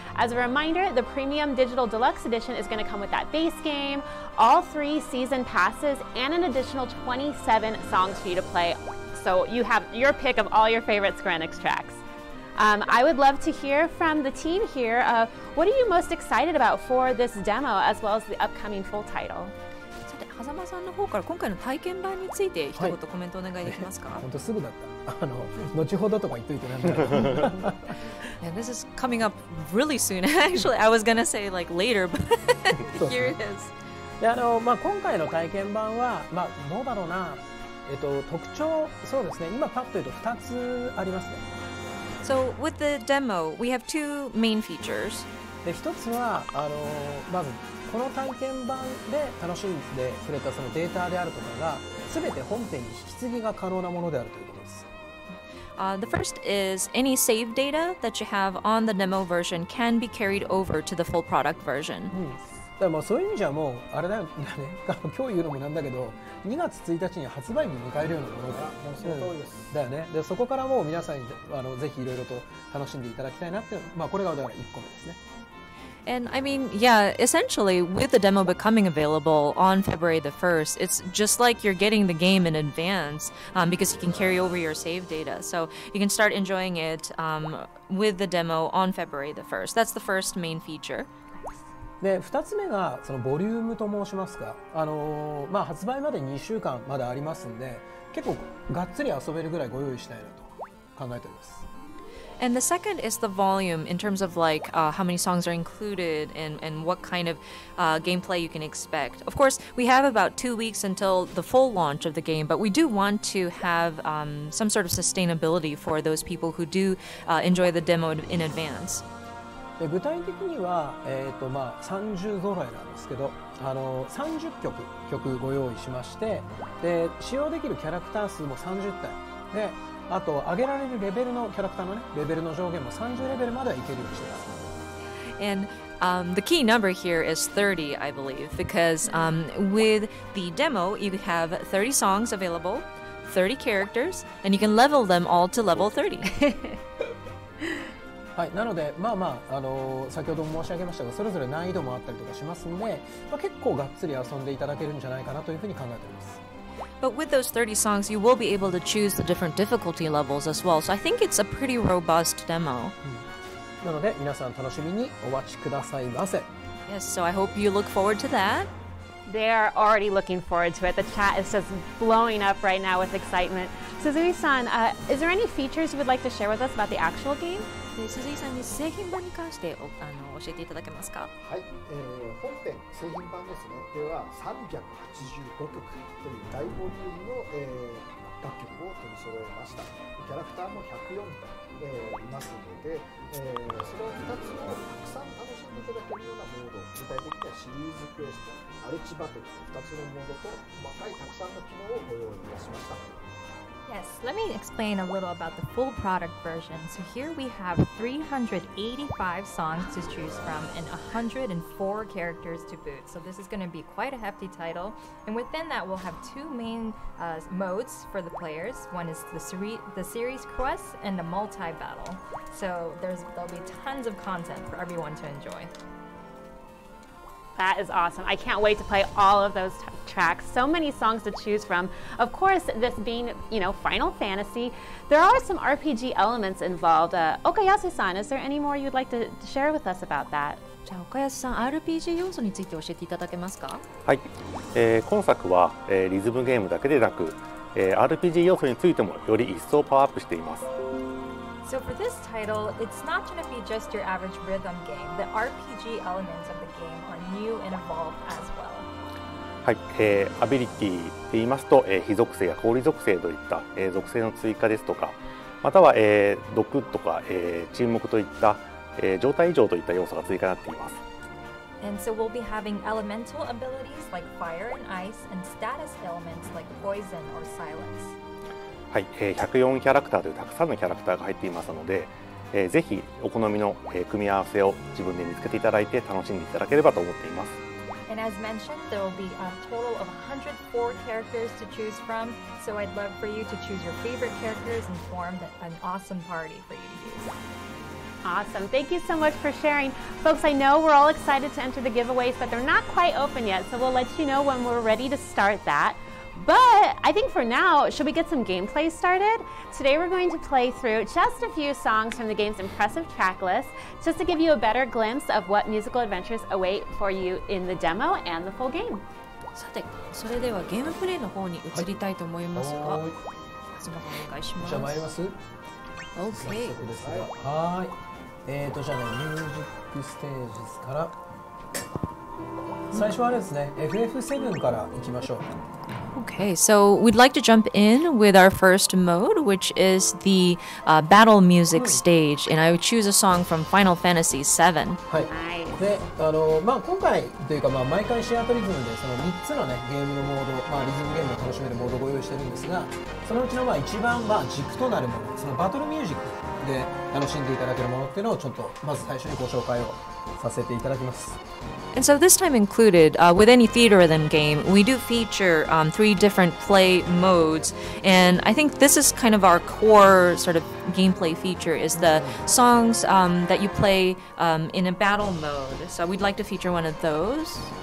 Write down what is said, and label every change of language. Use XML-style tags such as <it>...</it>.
<en>As a reminder, the Premium Digital Deluxe Edition is going to come with that base game, all 3 season passes, and an additional 27 songs for you to play. So you have your pick of all your favorite Square Enix tracks. I would love to hear from the team here. What are you most excited about for this demo, as well as the upcoming full title?</en> <ja>さて、狭間さんの方から今回の体験版について一言コメントお願いできますか？本当すぐだった。後ほどとか言っといてなんだろう。</ja> <en>Yeah, this is coming up really soon. Actually, I was gonna say like later, but here it is.</en> <ja>まあ、今回の体験版は、まあ、どうだろうな。特徴、そうですね。今パッと言うと2つありますね。</ja> <en>So with the demo, we have 2 main features.</en> <ja>で、一つはまずこの体験版で楽しんでくれたそのデータであるとかが全て本編に引き継ぎが可能なものであるということです。</ja> <en>The first is any save data that you have on the demo version can be carried over to the full product version.</en> <ja>だからまあそういう意味じゃもうあれだよね。今日言うのもなんだけど、2月1日に発売日迎えるようなものだ。その通りです。だよね。で、そこからもう皆さんにぜひいろいろと楽しんでいただきたいなっていう、まあこれがだから1個目ですね。</ja> <en>And I mean, yeah, essentially, with the demo becoming available on February the 1st, it's just like you're getting the game in advance, because you can carry over your save data. So you can start enjoying it, with the demo on February the 1st. That's the first main feature.</en> <ja>で、2つ目がそのボリュームと申しますか。まあ、発売まで2週間まだありますんで、結構がっつり遊べるぐらいご用意したいなと考えております。</ja> <en>And the second is the volume in terms of like how many songs are included and what kind of gameplay you can expect. Of course, we have about 2 weeks until the full launch of the game, but we do want to have some sort of sustainability for those people who do enjoy the demo in advance.</en> <ja>で、具体的には、まあ、30ぞろいなんですけど、30曲ご用意しまして、で、使用できるキャラクター数も30体で、あと上げられるレベルのキャラクターのね、レベルの上限も30レベルまではいけるようにしてます。</ja> <en>And, the key number here is 30, I believe, because, with the demo, you have 30 songs available, 30 characters, and you can level them all to level 30.</en> <ja>はい、なので、まあまあ、先ほども申し上げましたが、それぞれ難易度もあったりとかしますので、まあ、結構がっつり遊んでいただけるんじゃないかなというふうに考えております。</ja> <en>But with those 30 songs, you will be able to choose the different difficulty levels as well. So I think it's a pretty robust demo.</en> <ja>なので、皆さん楽しみにお待ちくださいませ。</ja> <en>Yes, so I hope you look forward to that. They are already looking forward to it. The chat is just blowing up right now with excitement. Suzui-san, is there any features you would like to share with us about the actual game?</en> <ja>鈴井さんに製品版に関して教えていただけますか。はい、本編製品版ですね。では385曲という大ボリュームの、楽曲を取り揃えました。キャラクターも104体、いますので、その2つをたくさん楽しんでいただけるようなモード、具体的にはシリーズクエスト、アルチバトル、2つのモードと細かいたくさんの機能をご用意いたしました。</ja> <en>Yes, let me explain a little about the full product version. So here we have 385 songs to choose from and 104 characters to boot. So this is going to be quite a hefty title. And within that, we'll have 2 main modes for the players. One is the series quest and the multi-battle. So there'll be tons of content for everyone to enjoy. That is awesome. I can't wait to play all of those tracks. So many songs to choose from. Of course, this being, you know, Final Fantasy, there are some RPG elements involved. Okayasu-san, is there any more you'd like to share with us about that?</en> <ja>じゃあ、Okayasu-san、RPG 要素について教えていただけますか？はい。今作は、リズムゲームだけでなく、RPG 要素についてもより一層パワーアップしています。</ja> <en>So for this title, it's not going to be just your average rhythm game. The RPG elements of the game are new and evolved as well.</en> <ja>はい、アビリティと言いますと、火属性や氷属性といった、属性の追加ですとか、または、毒とか、沈黙といった、状態異常といった要素が追加になっています。</ja> <en>And so we'll be having elemental abilities like fire and ice and status elements like poison or silence.</en> <ja>はい、104キャラクターというたくさんのキャラクターが入っていますので、ぜひお好みの組み合わせを自分で見つけていただいて楽しんでいただければと思っています。</ja> <en>And as mentioned, there will be a total of 104 characters to choose from, so I'd love for you to choose your favorite characters and form an awesome party for you to use. Awesome. Thank you so much for sharing. Folks, I know we're all excited to enter the giveaways, but they're not quite open yet, so we'll let you know when we're ready to start that. But I think for now, should we get some gameplay started? Today we're going to play through just a few songs from the game's impressive track list, just to give you a better glimpse of what musical adventures await for you in the demo and the full game.</en> <ja>さて、それではゲームプレイの方に移りたいと思いますが、じゃあ参ります。じゃあね、ミュージックステージから最初はですね、FF7 からいきましょう。</ja> <en>Okay, so we'd like to jump in with our first mode, which is the battle music stage, and I would choose a song from Final Fantasy VII.</en> <ja>はい。で、今回というか、毎回シェアトリズムでその3つの、ね、ゲームのモード、リズムゲームを楽しめるモードをご用意してるんですが、そのうちの一番軸となるもの、そのバトルミュージックで楽しんでいただけるものっていうのをちょっとまず最初にご紹介をさせていただきます。</ja> <en>And so this time included, with any theater rhythm game, we do feature three different play modes. And I think this is kind of our core sort of gameplay feature, is the songs that you play in a battle mode. So we'd like to feature one of those.</en>